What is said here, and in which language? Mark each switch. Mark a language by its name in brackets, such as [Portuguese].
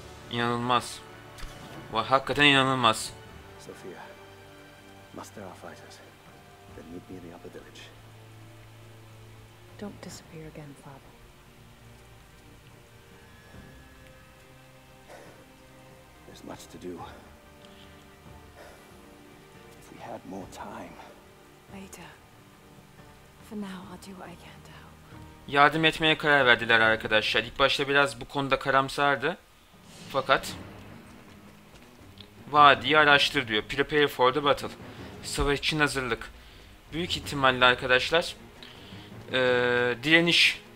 [Turkish] İnanılmaz. Vay, hakikaten inanılmaz. [English] Sophia, muster our fighters. Then meet me in the upper village. Don't disappear again, father. There's much to do. If we had more time. Later. For now, I'll do what I can to help. [Turkish] Yardım etmeye karar verdiler arkadaşlar. İlk başta biraz bu konuda karamsardı. Fakat vadiyi araştır diyor. [English] Prepare for the battle. [Turkish] Savaş için hazırlık. Büyük ihtimalle arkadaşlar direniş.